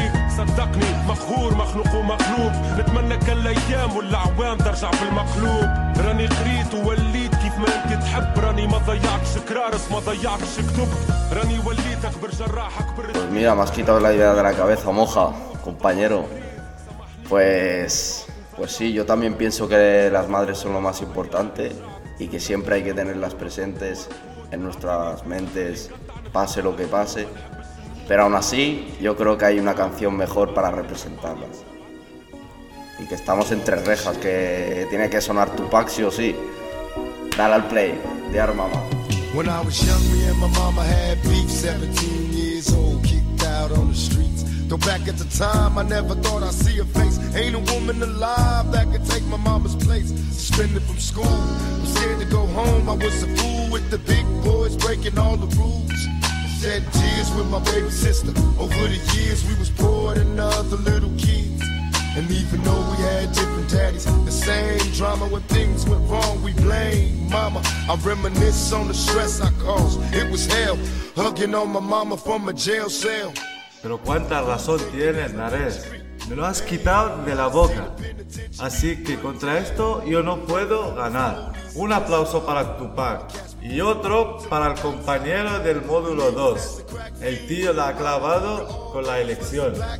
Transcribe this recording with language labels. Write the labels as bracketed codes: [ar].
[ar] مخور مخلوق ومقلوب نتمنى كل ايام والاعوام ترجع في المقلوب راني قريت ووليت كيف ما انت تحب راني ما ضيعتش كرارس ما ضيعتش كتب راني وليت اكبر جراح اكبر [es] pues mira, me has quitado la idea de la cabeza, moja, compañero. Pues sí, yo también pienso que las madres son lo más importante y que siempre hay que tenerlas presentes en nuestras mentes, pase lo que pase. Pero aún así, yo creo que hay una canción mejor para representarlas. y que estamos entre rejas, que tiene que sonar Tupac sí o sí. Dale al play, de our mama. [en] When I was young, me and my mama had beef, 17 years old, kicked out on the streets. Though back at the time, I never thought I'd see a face. Ain't a woman alive that could take my mama's place. Suspended from school, I'm scared to go home. I was a fool with the big boys breaking all the rules. Shed tears with my baby sister. Over the years, we was poor than other little kids. And even though we had different daddies, the same drama when things went wrong, we blamed mama. I reminisce on the stress I caused. It was hell, hugging on my mama from a jail cell. [es] Pero cuánta razón tienes, Nares. Me lo has quitado de la boca. Así que contra esto yo no puedo ganar. Un aplauso para Tupac. Y otro para el compañero del módulo 2. El tío la ha clavado con la elección.